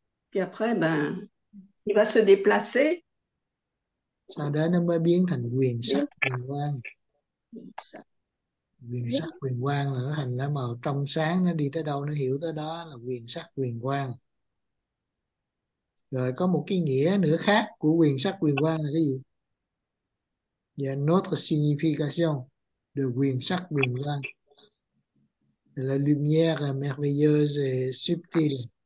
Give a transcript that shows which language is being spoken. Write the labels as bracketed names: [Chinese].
[French] Puis après, ben, il va se déplacer. [Vietnamese] Sau đó nó mới biến thành quyền sắc quyền quang. [French] Ça. [Vietnamese] Quyền sắc quyền quang là nó thành cái màu trong sáng, nó đi tới đâu nó hiểu tới đó là quyền sắc quyền quang. Rồi có một cái nghĩa nữa khác của quyền sắc quyền quang là cái gì? [French] Notre signification de quyền sắc quyền quang. La lumière merveilleuse et subtile.